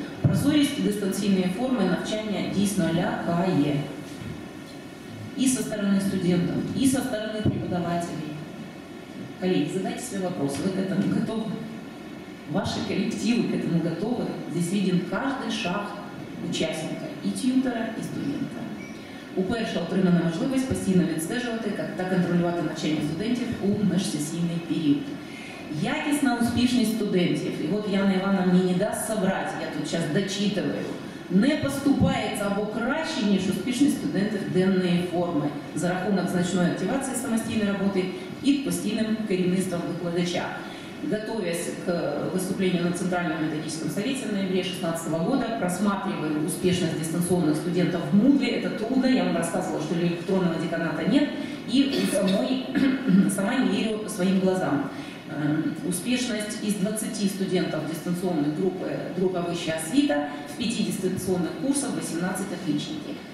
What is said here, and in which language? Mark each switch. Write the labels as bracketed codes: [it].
[ru] Прозорость и дистанционные формы навчания ДИС-0КАЕ. И со стороны студентов, и со стороны преподавателей. Коллеги, задайте себе вопрос, вы к этому готовы? Ваши коллективы к этому готовы. Здесь виден каждый шаг участника, и тьютора, и студента. [uk] Упершу отримана можливість постійно відстежувати та контролювати навчання студентів у межсесійний період. Якісна успішність студентів. І от Яна Івановна мені не дасть собрати, я тут зараз дочитую. Не поступається або краще, ніж успішність студентів денної форми за рахунок значної активації самостійної роботи і постійним керівництвом викладача. [ru] Готовясь к выступлению на Центральном методическом совете в ноябре 2016 года, просматриваю успешность дистанционных студентов в Moodle. Это трудно, я вам рассказывала, что электронного деканата нет, и сама не верю своим глазам. Успешность из 20 студентов дистанционной группы «Группа высшая освита» в 5 дистанционных курсах 18 отличники.